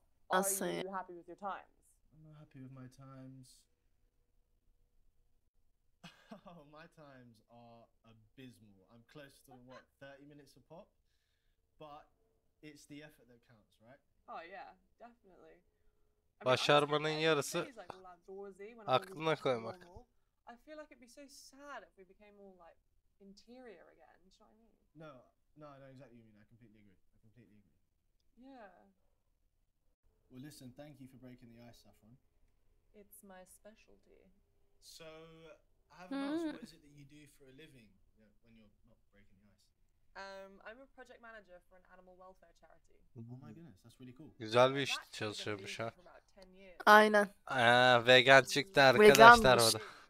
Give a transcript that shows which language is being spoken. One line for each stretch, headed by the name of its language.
English: Are you happy with your times? I'm not happy with my times. Oh, my times are abysmal. I'm close to, what, 30 minutes a pop? But it's the effort that counts, right? Oh, yeah, definitely.
Turkish: Başarmanın yarısı aklına koymak.
English: I feel like it'd be so sad if we became all, like, interior again. Do you know what I mean? No, I know exactly what you mean. I completely agree. I completely agree. Yeah. Well, listen, thank you for breaking the ice, Saffron. It's my specialty. So, I haven't asked, what is it that you do for a living when you're not breaking the ice? I'm a project manager for an animal welfare charity. Oh my goodness, that's really cool.
Turkish: Güzel bir iş çalışıyormuş ha. Aynen. Vegan çıktı arkadaşlar orada.